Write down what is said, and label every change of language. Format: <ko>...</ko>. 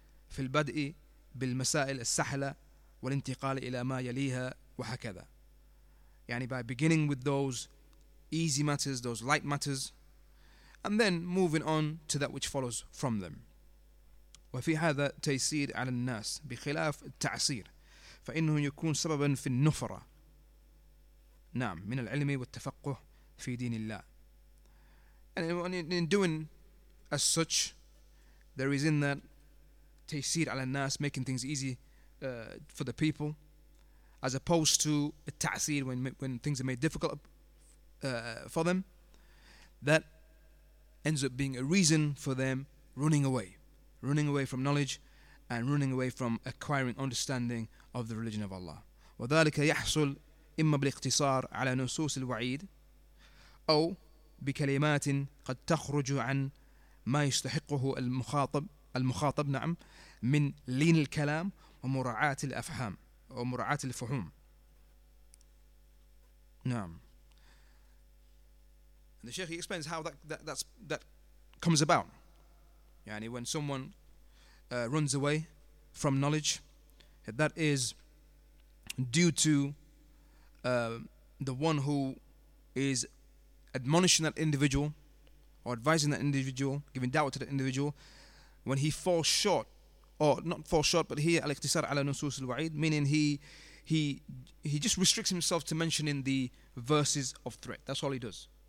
<ar>في البدء بالمسائل السهلة والانتقال إلى ما يليها وهكذا. يعني</ar> <en>by beginning with those easy matters, those light matters, and then moving on to that which follows from them.</en> <ar>وفي هذا تيسير على الناس بخلاف التعسير فإنه يكون سببا في النفرة نعم من العلم والتفقه في دين الله.</ar> <en>And in doing as such, there is in that</en> <ar>تيسير على الناس,</ar> <en>making things easy for the people, as opposed to</en> <ar>التعسير</ar> <en>when things are made difficult for them, that ends up being a reason for them running away from knowledge and running away from acquiring understanding of the religion of Allah.</en> <ar>وذلك يحصل إما بالاقتصار على نصوص الوعيد أو بكلمات قد تخرج عن ما يستحقه المخاطب نعم من لين الكلام ومراعاة الأفهام ومراعاة الفهوم نعم.</ar> <en>And the Sheikh he explains how that comes about.</en> <ar>يعني</ar> <en>when someone runs away from knowledge, that is due to the one who is admonishing that individual or advising that individual, giving doubt to that individual, when he falls short, or not falls short, but here</en> <ar>al-iqtisar ala nusus al-wa'id,</ar> <en>meaning he just restricts himself to mentioning the verses of threat. That's all he does.</en>